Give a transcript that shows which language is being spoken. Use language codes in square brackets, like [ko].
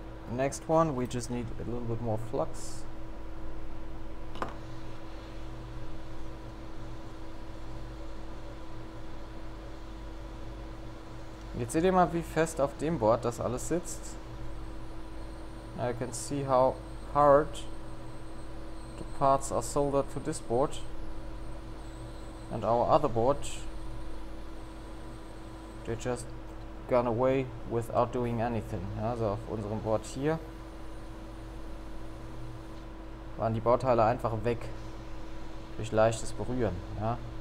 [en] Next one, we just need a little bit more flux. [de] Jetzt seht ihr mal, wie fest auf dem Board das alles sitzt. [en] Now you can see how hard the parts are soldered to this board. And our other board, they just gone away without doing anything. [de] Also auf unserem Board hier waren die Bauteile einfach weg durch leichtes Berühren. Ja.